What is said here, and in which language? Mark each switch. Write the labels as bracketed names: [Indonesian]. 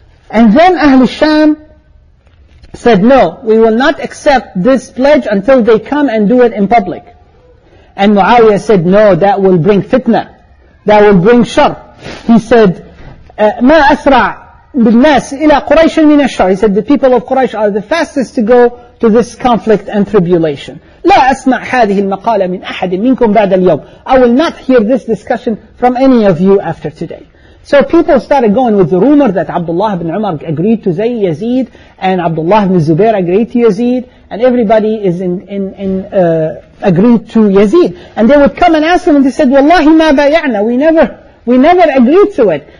[English] And then Ahl al-Sham said, no, we will not accept this pledge until they come and do it in public. And Muawiyah said, no, that will bring fitna. That will bring shar. He said, [Arabic] مَا أَسْرَعْ بالناس إلى قريش من الشر. [English] He said the people of Quraysh are the fastest to go to this conflict and tribulation. [Arabic] لا أسمع هذه المقالة من أحد منكم بعد اليوم. [English] I will not hear this discussion from any of you after today. So people started going with the rumor that Abdullah ibn Umar agreed to Yazid and Abdullah ibn Zubair agreed to Yazid and everybody is agreed to Yazid. And they would come and ask him and they said, [Arabic] Wallahi ma bay'na, [English] we never agreed to it.